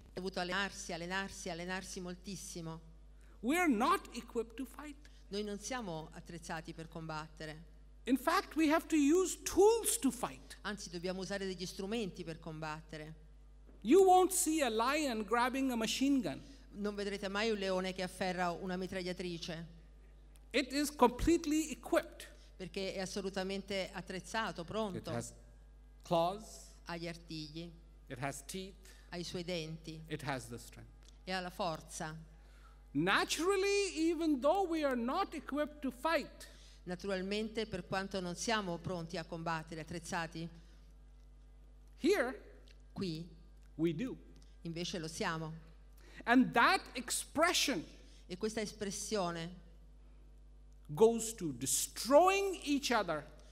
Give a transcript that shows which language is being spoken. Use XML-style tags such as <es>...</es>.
<it>Ha dovuto allenarsi, allenarsi, allenarsi moltissimo.</it> <en>We are not equipped to fight.</en> <it>Noi non siamo attrezzati per combattere.</it> <en>In fact, we have to use tools to fight.</en> <it>Anzi, dobbiamo usare degli strumenti per combattere.</it> <en>You won't see a lion grabbing a machine gun.</en> <it>Non vedrete mai un leone che afferra una mitragliatrice.</it> <en>It is completely equipped.</en> <it>Perché è assolutamente attrezzato, pronto.</it> <en>It has claws.</en> <it>Ha gli artigli.</it> <en>It has teeth.</en> <it>Ha i suoi denti.</it> <en>It has the strength.</en> <it>E ha la forza.</it> <en>Naturally, even though we are not equipped to fight,</en> <it>naturalmente, per quanto non siamo pronti a combattere, attrezzati,</it> <en>here,</en> <it>qui,</it> <en>we do,</en> <it>invece lo siamo.</it> <en>And that expression,</en> <it>e questa espressione,</it> <en>goes to destroying each other,</en>